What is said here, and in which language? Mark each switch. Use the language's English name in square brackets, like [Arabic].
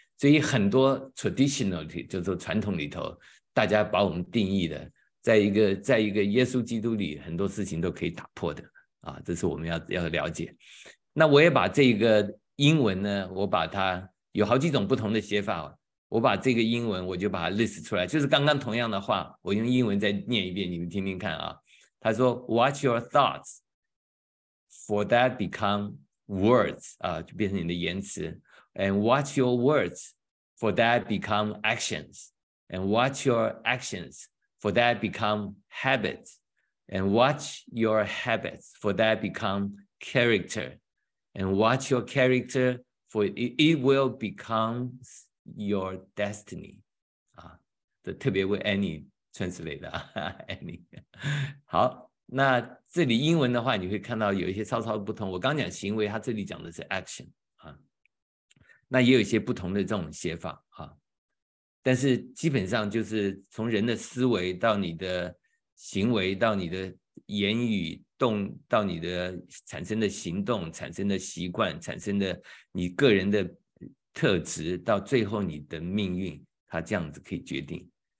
[Chinese] 所以很多 traditionality 就是传统里头大家把我们定义的，在一个耶稣基督里很多事情都可以打破的啊，这是我们要了解。那我也把这个英文呢，我把它有好几种不同的写法，我把这个英文我就把它 list 出来，就是刚刚同样的话我用英文再念一遍，你们听听看啊。他说 [English] Watch your thoughts for that become words [Chinese] 啊，就变成你的言辞。 [English] And watch your words for that become actions. And watch your actionsFor that become habits, and watch your habits. For that become character, and watch your character. For it will become your destiny. [Chinese] 啊，这特别为 Annie translate 的 Annie。好，那这里英文的话，你会看到有一些稍稍不同。我刚讲行为，它这里讲的是 action 啊。那也有一些不同的这种写法啊。但是基本上就是从人的思维到你的行为到你的言语动到你的产生的行动产生的习惯产生的你个人的特质到最后你的命运，它这样子可以决定。